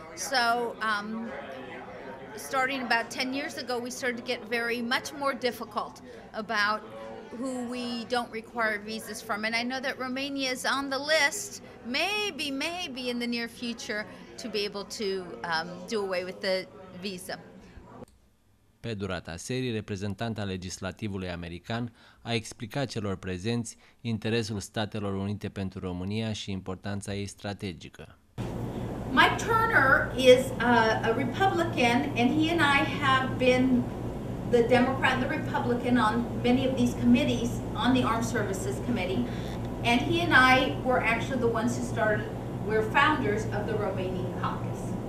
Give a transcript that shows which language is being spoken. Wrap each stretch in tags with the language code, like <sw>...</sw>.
<en>So starting about 10 years ago, we started to get very much more difficult about who we don't require visas from. And I know that Romania is on the list, maybe in the near future, to be able to do away with the visa.</en> <ro>Pe durata serii, reprezentanta legislativului american a explicat celor prezenți interesul Statelor Unite pentru România și importanța ei strategică.</ro> <en>Mike Turner is a Republican, and he and I have been the Democrat and the Republican on many of these committees, on the Armed Services Committee, and he and I were actually the ones who started, we're founders of the Romanian Caucus.</en>